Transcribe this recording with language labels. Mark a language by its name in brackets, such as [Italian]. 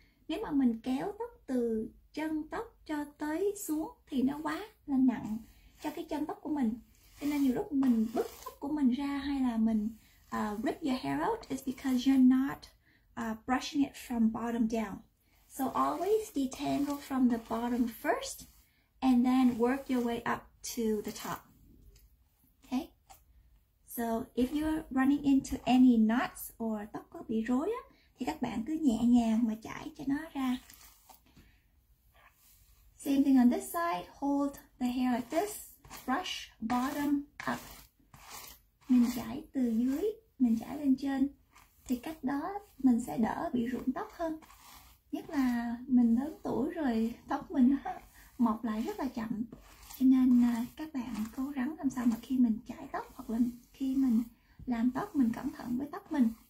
[Vietnamese] Nếu mà mình kéo tóc từ chân tóc cho tới xuống thì nó quá là nặng cho cái chân tóc của mình. Cho nên nhiều lúc mình bứt tóc của mình ra hay là mình [English] rip your hair out is because you're not brushing it from bottom down. So always detangle from the bottom first and then work your way up to the top. Okay? So if you're running into any knots or [Vietnamese] tóc có bị rối á, thì các bạn cứ nhẹ nhàng mà chải cho nó ra. [English] Same thing on this side, hold the hair like this. Brush bottom up. [Vietnamese] Mình chải từ dưới, mình chải lên trên. Thì cách đó mình sẽ đỡ bị rụng tóc hơn. Nhất là mình lớn tuổi rồi, tóc mình mọc lại rất là chậm. Cho nên các bạn cố gắng làm sao mà khi mình chải tóc hoặc là khi mình làm tóc, mình cẩn thận với tóc mình.